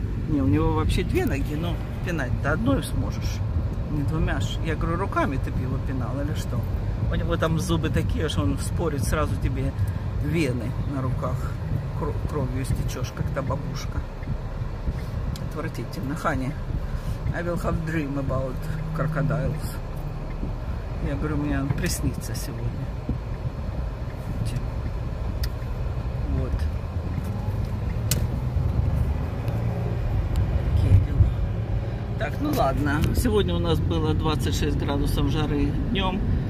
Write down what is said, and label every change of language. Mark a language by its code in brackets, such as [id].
[ru] Не, у него вообще две ноги, но пинать-то одной сможешь. Не двумя ж. Я говорю, руками ты бы его пинал или что? У него там зубы такие, что он спорит сразу тебе... Вены на руках, кровью истечешь, как та бабушка. Отвратительно. [en] Honey, I will have dream about crocodiles. [ru] Я говорю, мне приснится сегодня. Вот. Такие дела. Так, ну. Ну ладно, сегодня у нас было 26 градусов жары днем.